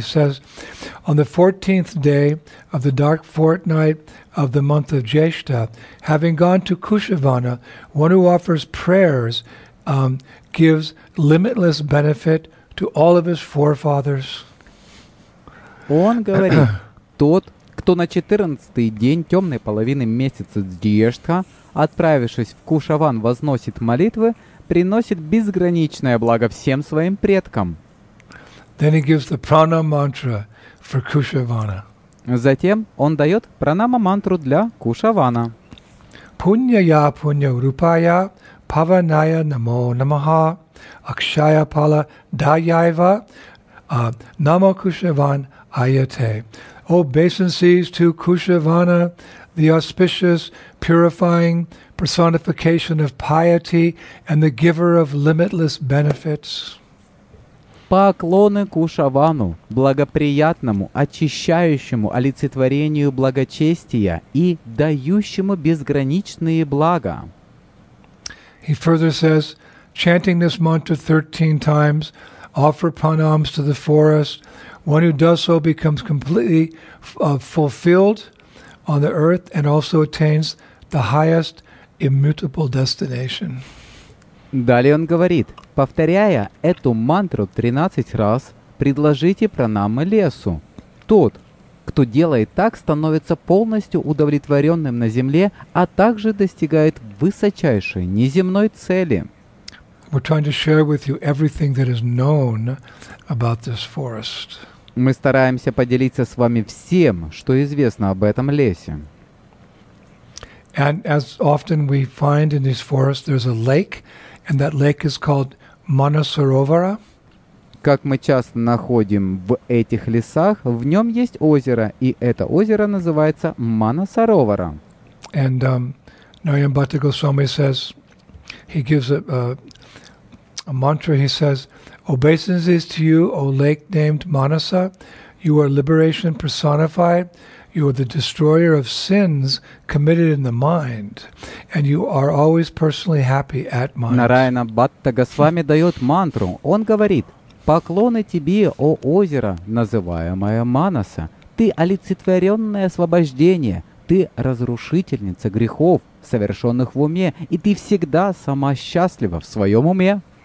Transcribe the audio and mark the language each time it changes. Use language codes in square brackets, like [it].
[en] He says, on the 14th day of the dark fortnight of the month of Jeshta, having gone to Kushavana, one who offers prayers gives limitless benefit to all of his forefathers. [ru] Он говорит, тот, кто на 14-й день темной половины месяца Джештха, отправившись в Кушаван, возносит молитвы, приносит безграничное благо всем своим предкам. [en] Then he gives the prana mantra for Kushavana. [ru] Затем он дает пранама-мантру для Кушавана. [sa] Пуньяя пунья рупая паваная намо намаха акшая пала даяйва намо кушаван Ayate. [en] Obeisances to Kushavana, the auspicious, purifying personification of piety and the giver of limitless benefits. [ru] Поклоны Кушавану, благоприятному, очищающему олицетворению благочестия и дающему безграничные блага. [en] He further says, chanting this mantra 13 times, offer pranams to the forest. One who does so becomes completely fulfilled on the earth and also attains the highest immutable destination. [ru] Далее он говорит, повторяя эту мантру 13 раз, предложите пранамы лесу. Тот, кто делает так, становится полностью удовлетворенным на земле, а также достигает высочайшей неземной цели. [en] We're trying to share with you everything that is known about this forest. [ru] Мы стараемся поделиться с вами всем, что известно об этом лесе. [en] And as often we find in this forest, there's a lake, and that lake is called Manasarovara. [ru] Как мы часто находим в этих лесах, в нем есть озеро, и это озеро называется Манасаровара. [en] And Narayambhata Goswami says, he gives a mantra, he says, obeisances to you, O lake named Manasa. You are liberation personified. You are the destroyer of sins committed in the mind. And you are always personally happy at mind. [ru] Нараяна Бхатта Госвами дает мантру. Он говорит, поклоны тебе, о озеро, называемое Манаса. Ты олицетворенное освобождение. Ты разрушительница грехов, совершенных в уме. И ты всегда сама счастлива в своем уме.